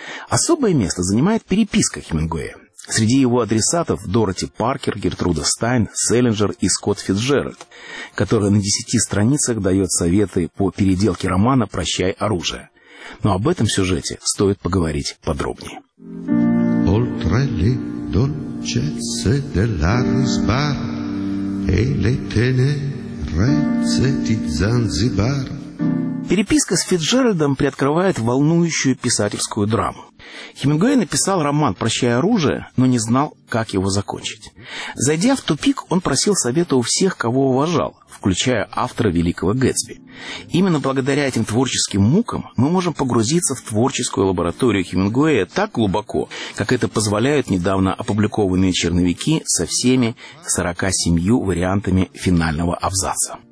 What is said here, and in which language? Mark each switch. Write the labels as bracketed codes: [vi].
[ru] Особое место занимает переписка Хемингуэя. Среди его адресатов Дороти Паркер, Гертруда Стайн, Селлинджер и Скотт Фицджеральд, который на 10 страницах дает советы по переделке романа «Прощай, оружие». Но об этом сюжете стоит поговорить подробнее. [it] Oltre le dolcezze della Risbar e le tenerezze di Zanzibar. [ru] Переписка с Фицджеральдом приоткрывает волнующую писательскую драму. Хемингуэй написал роман «Прощай, оружие», но не знал, как его закончить. Зайдя в тупик, он просил совета у всех, кого уважал, включая автора «Великого Гэтсби». Именно благодаря этим творческим мукам мы можем погрузиться в творческую лабораторию Хемингуэя так глубоко, как это позволяют недавно опубликованные черновики со всеми 47 вариантами финального абзаца.